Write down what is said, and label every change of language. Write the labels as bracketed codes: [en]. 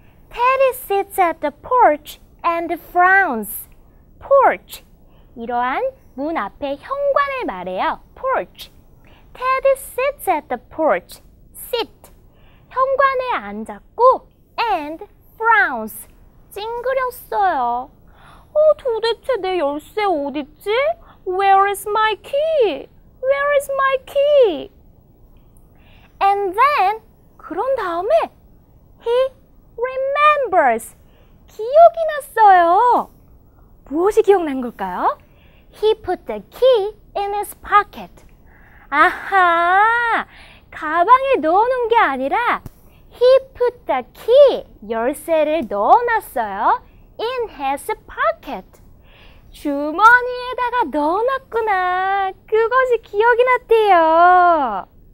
[en] Teddy sits at the porch and frowns. Porch. [ko] 이러한 문 앞에 현관을 말해요. Porch. [en] Teddy sits at the porch. Sit. [ko] 현관에 앉았고 [en] and frowns. [ko] 찡그렸어요. 도대체 내 열쇠 어딨지? [en] Where is my key? Where is my key? And then, [ko] 그런 다음에 [en] he remembers. [ko] 기억이 났어요. 무엇이 기억난 걸까요? [en] He put the key in his pocket. [ko] 아하, 가방에 넣어놓은 게 아니라 [en] He put the key, [ko] 열쇠를 넣어놨어요. [en] In his pocket. [ko] 주머니에다가 넣어놨구나. 그것이 기억이 났대요.